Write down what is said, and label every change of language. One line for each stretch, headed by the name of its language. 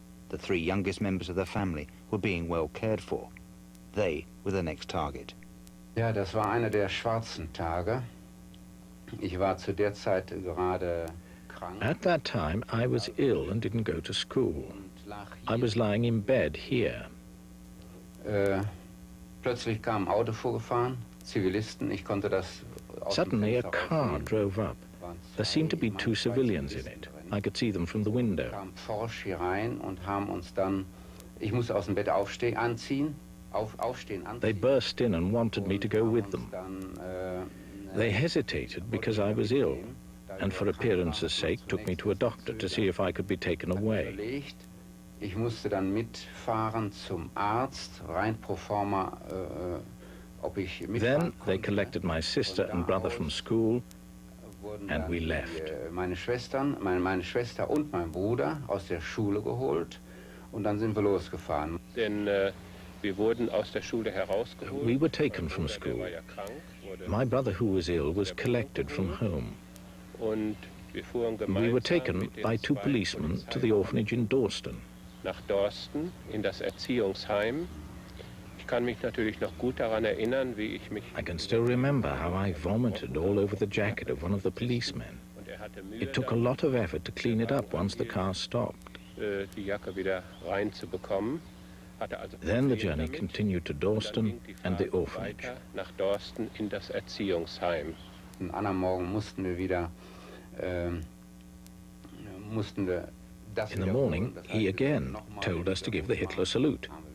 English: The three youngest members of the family were being well cared for. They were the next target.
German: Ja, das war einer der schwarzen Tage. Ich war zu der Zeit gerade krank.
English: At that time, I was ill and didn't go to school. I was lying in bed here.
German: Plötzlich kam ein Auto vorgefahren, Zivilisten, ich konnte das...
English: Suddenly a car drove up. There seemed to be two civilians in it. I could see them from the window.
German: Kam forsch hier rein und haben uns dann... Ich muss aus dem Bett aufstehen, anziehen. Aufstehen, anziehen.
English: They burst in and wanted me to go with them. They hesitated because I was ill and for appearance's sake took me to a doctor to see if I could be taken away.
German: Ich musste dann mitfahren zum Arzt, rein pro forma, ob ich mitfahren konnte.
English: Then they collected my sister and brother from school and we left.
German: Meine Schwester und mein Bruder aus der Schule geholt und dann sind wir losgefahren. Denn wir wurden aus der Schule herausgeholt.
English: We were taken from school. My brother, who was ill, was collected from home.
German: Und wir fuhren gemeinsam.
English: We were taken by two policemen to the orphanage in Dorsten.
German: Nach Dorsten in das Erziehungsheim. Ich kann mich natürlich noch gut daran erinnern, wie ich mich.
English: I can still remember how I vomited all over the jacket of one of the policemen. It took a lot of effort to clean it up once the car stopped.
German: Die Jacke wieder rein zu bekommen.
English: Then the journey continued to Dorsten and the orphanage.
German: Nach Dorsten in das Erziehungsheim. Am anderen Morgen mussten wir wieder mussten wir das.
English: In the morning, he again told us to give the Hitler salute.